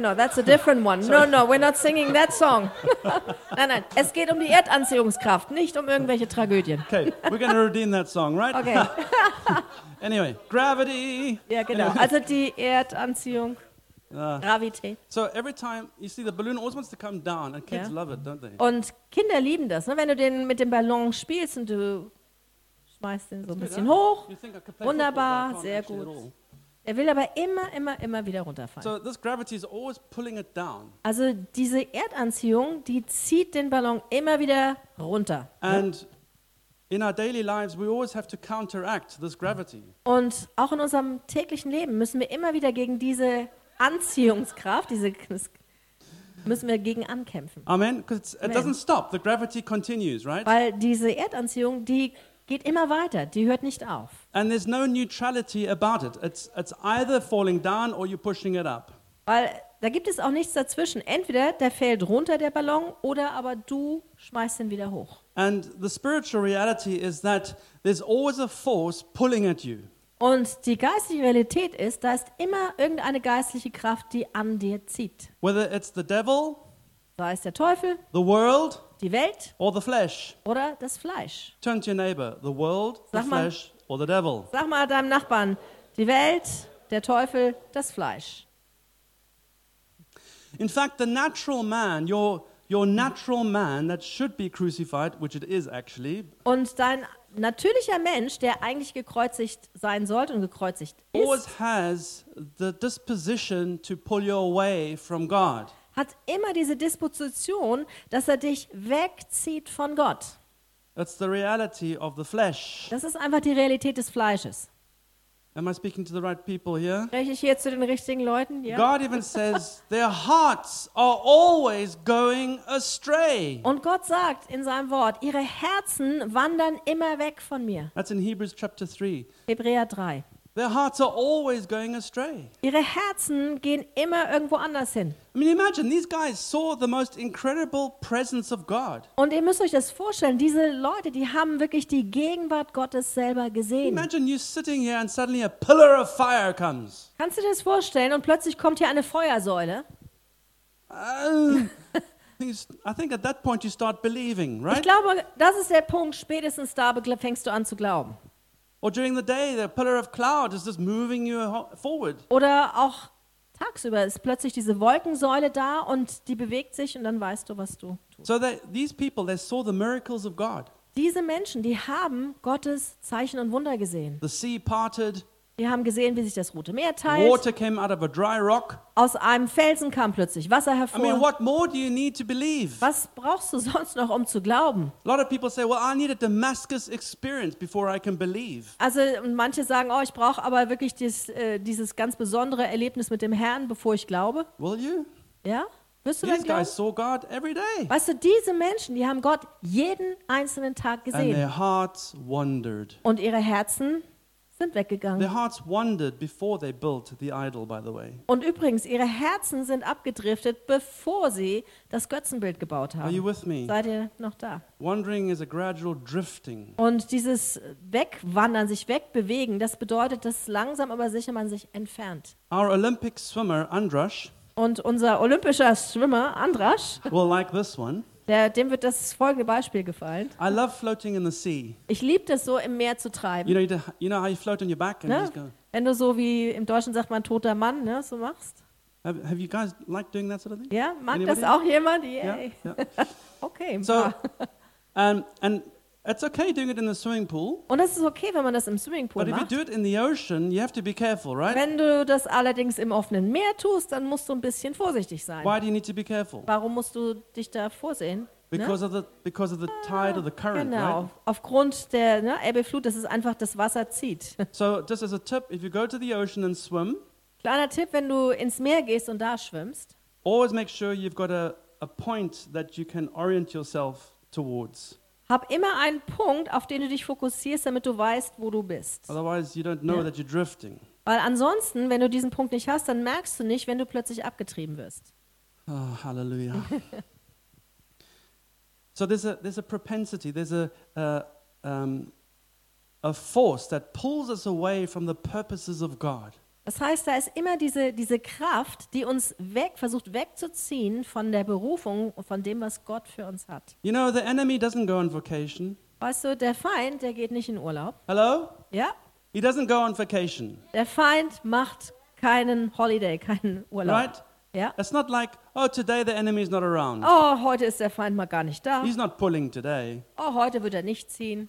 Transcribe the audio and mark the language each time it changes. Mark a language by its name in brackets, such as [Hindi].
[English] No, that's a different one. No, we're not singing that song. [German] Nein. Es geht um die Erdanziehungskraft, nicht um irgendwelche Tragödien. [English] Okay, we're going to redeem that song, right? Okay. Anyway, Gravity. [German] Ja, yeah, genau. [English] Anyway. [German] Also die Erdanziehung. Gravität. [English] So every time, you see, the balloon always wants to come down, and kids love it, don't they? [German] Und Kinder lieben das, ne? Wenn du den mit dem Ballon spielst und du schmeißt den so ein bisschen hoch. Wunderbar, sehr gut. Er will aber immer wieder runterfallen. [English] So this gravity is always pulling it down. [German] Also diese Erdanziehung, die zieht den Ballon immer wieder runter. [English] And in our daily lives we always have to counteract this gravity. [German] Und auch in unserem täglichen Leben müssen wir immer wieder gegen diese Anziehungskraft, müssen wir gegen ankämpfen. [English] Amen, because it doesn't stop. The gravity continues, right? [German] Weil diese Erdanziehung, die geht immer weiter, die hört nicht auf. [English] And there's no neutrality about it. It's either falling down or you're pushing it up. [German] Weil da gibt es auch nichts dazwischen. Entweder der fällt runter, der Ballon, oder aber du schmeißt ihn wieder hoch. [English] And the spiritual reality is that there's always a force pulling at you. [German] Und die geistliche Realität ist, da ist immer irgendeine geistliche Kraft, die an dir zieht. [English] Whether it's the devil, [German] sei es der Teufel, [English] the world, [German] die Welt, [English] or the flesh, [German] oder das Fleisch. [English] Turn to your neighbor, the world, [German] sag [English] the [German] mal, [English] flesh, or the devil. [German] Sag mal deinem Nachbarn, die Welt, der Teufel, das Fleisch. [English] In fact, the natural man, your natural man that should be crucified, which it is actually. [German] Und dein natürlicher Mensch, der eigentlich gekreuzigt sein sollte und gekreuzigt ist, [English] always has the disposition to pull you away from God. [German] Hat immer diese Disposition, dass er dich wegzieht von Gott. [English] That's the reality of the flesh. [German] Das ist einfach die Realität des Fleisches. [English] Am I speaking to the right people here? [German] Spreche ich hier zu den richtigen Leuten? Ja. [English] God even says their hearts are always going astray. [German] Und Gott sagt in seinem Wort, ihre Herzen wandern immer weg von mir. [English] That's in Hebrews chapter 3. [German] Hebräer 3. [English] Their hearts are always going astray. [German] Ihre Herzen gehen immer irgendwo anders hin. [English] I mean, imagine these guys saw the most incredible presence of God. [German] Und ihr müsst euch das vorstellen, diese Leute, die haben wirklich die Gegenwart Gottes selber gesehen. [English] Imagine you sitting here and suddenly a pillar of fire comes. [German] Kannst du dir das vorstellen und plötzlich kommt hier eine Feuersäule? [English] I think at that point you start believing, right? [German] Ich glaube, das ist der Punkt, spätestens da fängst du an zu glauben. [English] Or during the day, the pillar of cloud is just moving you forward. [German] Oder auch tagsüber ist plötzlich diese Wolkensäule da und die bewegt sich und dann weißt du, was du tust. [English] So these people, they saw the miracles of God. [German] Diese Menschen, die haben Gottes Zeichen und Wunder gesehen. [English] The sea parted. [German] Die haben gesehen, wie sich das Rote Meer teilt. [English] Water came out of a dry rock. [German] Aus einem Felsen kam plötzlich Wasser hervor. [English] I mean, what more do you need to believe? [German] Was brauchst du sonst noch, um zu glauben? [English] A lot of people say, well, I need a Damascus experience before I can believe. [German] Also manche sagen, oh, ich brauche aber wirklich dieses ganz besondere Erlebnis mit dem Herrn, bevor ich glaube. [English] Will you? [German] Ja. Wirst du [English] These guys saw God every day. [German] Weißt du, diese Menschen, die haben Gott jeden einzelnen Tag gesehen. [English] And their hearts wandered. [German] Und ihre Herzen sind weggegangen. [English] Their hearts wandered before they built the idol, by the way. [German] Und übrigens, ihre Herzen sind abgedriftet, bevor sie das Götzenbild gebaut haben. [English] Are you with me? [German] Seid ihr noch da? [English] Wandering is a gradual drifting. [German] Und dieses Wegwandern, sich wegbewegen, das bedeutet, dass langsam aber sicher man sich entfernt. [English] Our Olympic swimmer Andrash. [German] Und unser olympischer Schwimmer Andrash. [English] Will like this one. [German] Dem wird das folgende Beispiel gefallen. [English] I love floating in the sea. [German] Ich liebe das so, im Meer zu treiben. [English] You know how you float on your back and [German] ne? [English] You just go. [German] Wenn du so wie im Deutschen sagt man toter Mann, ne, so machst. [English] Have you guys liked doing that sort of thing? [German] Ja, mag Anybody? Das auch jemand? Yay. Yeah. Okay. [English] So, and it's okay doing it in the swimming pool. [German] Und das ist okay, wenn man das im Swimmingpool macht. [English] But if you do it in the ocean, you have to be careful, right? [German] Wenn du das allerdings im offenen Meer tust, dann musst du ein bisschen vorsichtig sein. [English] Why do you need to be careful? [German] Warum musst du dich da vorsehen? [English] Because, [German] ne? [English] because of the tide or the current, [German] genau. [English] Right? [German] Aufgrund der, ne, Ebbe-Flut, dass es einfach das Wasser zieht. [English] So just as a tip, if you go to the ocean and swim. [German] Kleiner Tipp, wenn du ins Meer gehst und da schwimmst. [English] Always make sure you've got a point that you can orient yourself towards. [German] Hab immer einen Punkt, auf den du dich fokussierst, damit du weißt, wo du bist. [English] Otherwise you don't know that you're drifting. [German] Weil ansonsten, wenn du diesen Punkt nicht hast, dann merkst du nicht, wenn du plötzlich abgetrieben wirst. Oh, Halleluja. [English] So there's a propensity, there's a force that pulls us away from the purposes of God. [German] Das heißt, da ist immer diese Kraft, die uns versucht wegzuziehen von der Berufung, von dem, was Gott für uns hat. [English] You know, the enemy doesn't go on vacation. [German] Weißt du, der Feind, der geht nicht in Urlaub. [English] Hello? [German] Ja. [English] He doesn't go on vacation. [German] Der Feind macht keinen Holiday, keinen Urlaub. [English] Right? [German] Ja. [English] It's not like, oh, today the enemy is not around. [German] Oh, heute ist der Feind mal gar nicht da. [English] He's not pulling today. [German] Oh, heute wird er nicht ziehen.